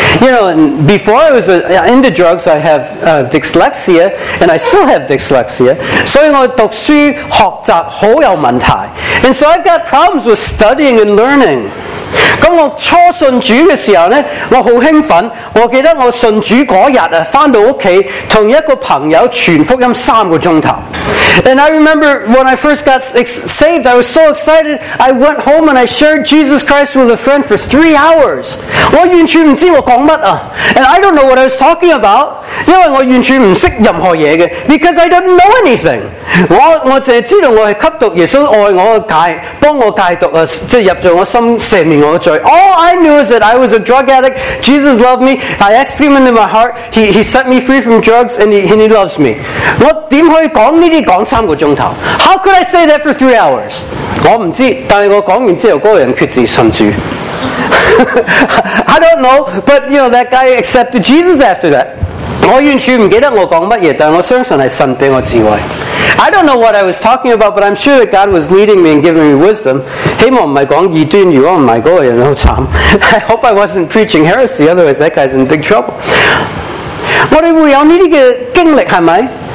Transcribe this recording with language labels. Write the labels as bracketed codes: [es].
[en] You know, before I was into drugs, I have dyslexia, and I still have dyslexia. [yue] 所以我读书学习好有问题。 [en] And so I've got problems with studying and learning. [yue] 咁我初信主嘅时候咧，我好兴奋。我记得我信主嗰日啊，翻到屋企同一个朋友传福音3个钟头。 [en] And I remember when I first got saved, I was so excited. I went home and I shared Jesus Christ with a friend for 3 hours. [yue] 我完全唔知我讲乜啊。 [en] And I don't know what I was talking about. [yue] 因为我完全唔识任何嘢嘅。 [en] Because I didn't know anything. [yue] 我只知道我系吸毒，耶稣爱我戒，帮我戒毒啊，即系入咗我心，赦免我罪。 [en] All I knew is that I was a drug addict. Jesus loved me. I asked him into my heart. He set me free from drugs and he loves me. [yue] 我点可以讲呢啲讲？3个钟头 [en] How could I say that for 3 hours? [yue] 我唔知，但系我讲完之后，嗰个人决志信主。 [en] I don't know, but you know that guy accepted Jesus after that. [yue] 我完全唔记得我讲乜嘢，但我相信系神俾我智慧。 [en] I don't know what I was talking about, but I'm sure that God was leading me and giving me wisdom. [yue] 希望唔系讲异端，如果唔系嗰个人好惨。 [en] I hope I wasn't preaching heresy, otherwise that guy's in big trouble. [yue] 我哋会有呢啲嘅经历系咪